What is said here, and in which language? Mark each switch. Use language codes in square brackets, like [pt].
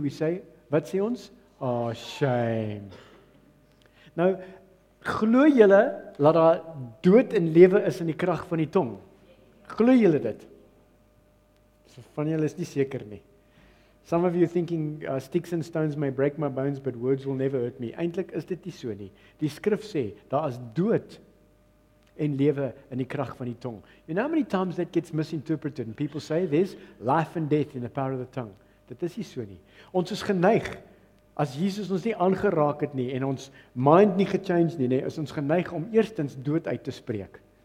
[en] We say, [af] wat sê ons? Oh, shame. Nou, glo julle dat daar dood en lewe is in die krag van die tong? Glo julle dit? So van julle is nie seker nie. [en] Some of you thinking, sticks and stones may break my bones, but words will never hurt me. [af] Eintlik is dit nie so nie. Die skrif sê, daar is dood en lewe in die krag van die tong. [en] You know how many times that gets misinterpreted? And people say, there's life and death in the power of the tongue. [af] Dit is nie so nie. Ons is geneig. As Jesus ons nie aangeraak het nie en ons mind nie gechange nie, is ons geneig om eerstens dood uit te spreek.